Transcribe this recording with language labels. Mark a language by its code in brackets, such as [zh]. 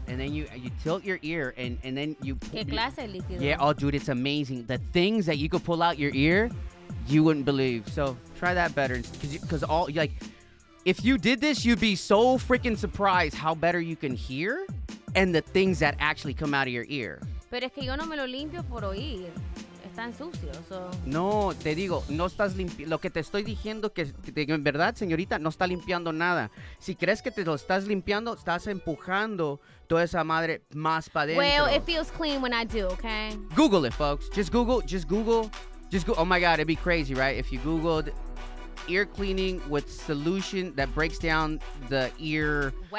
[en] And then you tilt your ear and then you... [es] ¿Qué clase de líquido? [en] Yeah, oh, dude, it's amazing. The things that you could pull out your ear, you wouldn't believe. So try that better. Because all... like, if you did this, you'd be so freaking surprised how better you can hear and the things that actually come out of your ear. [es] Pero es que yo no me lo limpio por oír. Están sucios. So. No, te digo, no estás limpiando. Lo que te estoy diciendo que en verdad, señorita, no está limpiando nada. Si crees que te lo estás limpiando, estás empujando toda esa madre más para adentro. [en] Well, it feels clean when I do, okay? Google it, folks. Just Google. Oh my God, it'd be crazy, right? If you Googled ear cleaning with solution that breaks down the ear